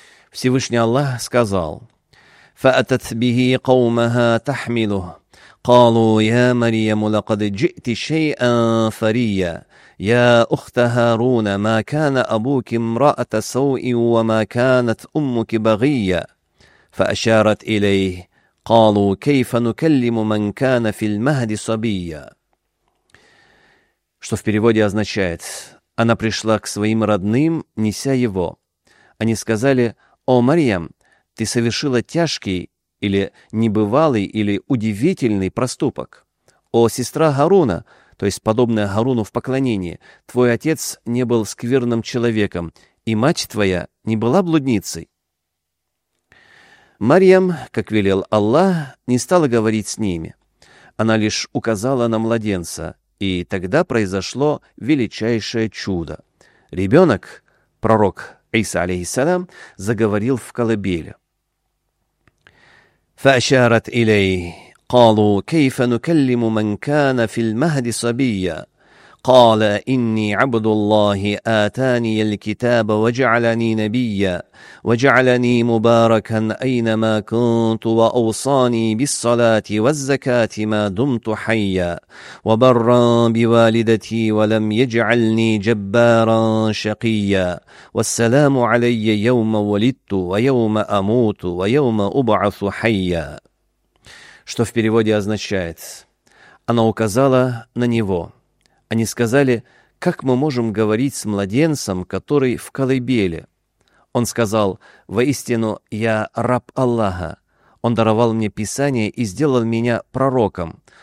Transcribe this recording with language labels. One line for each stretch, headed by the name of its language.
Russian: Всевышний Аллах сказал:
Arabic: «Фаатат бихи каумаха тахмилу, калу я Марьяму лакад джи'ти шей'ан фария, я ухта Харуна, ма кана абуки мра'ата сау'и, ва ма канат уммуки багия». فأشارت إليه قالوا كيف نكلم من كان في المهد صبيا.
Russian: Что в переводе означает: она пришла к своим родным, неся его. Они сказали: «О, Марьям, ты совершила тяжкий или небывалый или удивительный проступок. О, сестра Гаруна, то есть подобная Гаруну в поклонении, твой отец не был скверным человеком, и мать твоя не была блудницей». Марьям, как велел Аллах, не стала говорить с ними. Она лишь указала на младенца, и тогда произошло величайшее чудо. Ребенок, пророк Иса, алейхиссалам, заговорил в колыбели.
Arabic: «Фаашарат илей, калу, кейфа нукаллиму ман кана фил махди сабия, قال إني عبد الله آتاني الكتاب وجعلني نبيا وجعلني مباركا أينما كنت وأوصاني بالصلاة والزكاة ما دمت حيا وبرا بوالدتي ولم يجعلني جبارا شقيا والسلام علي يوم ولدت ويوم أموت ويوم أبعث حيا.
Russian: Что в переводе означает? Она указала на него. Они сказали, как мы можем говорить с младенцем, который в колыбели? Он сказал, воистину, я раб Аллаха. Он даровал мне Писание и сделал меня пророком.